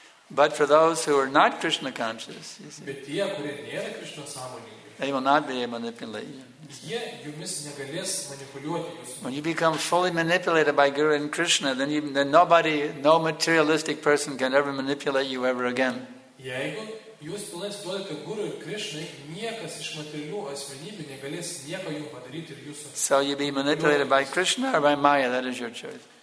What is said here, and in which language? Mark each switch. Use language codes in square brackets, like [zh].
[en] But for those who are not Krishna conscious, you see, [lt] bet tie, kurie nėra Krishna sąmoningi, [en] they will not be manipulated. [lt] Jie jumis negalės manipuliuoti jūsų. [en] When you become fully manipulated by Guru and Krishna, then nobody, no materialistic person can ever manipulate you ever again. [lt] Jeigu jūs pilnai atsiduodate Guru ir Krishna, niekas iš materialių asmenybių negalės nieko jums padaryti ir jūsų. [en] So you be manipulated by Krishna or by Maya, that is your choice.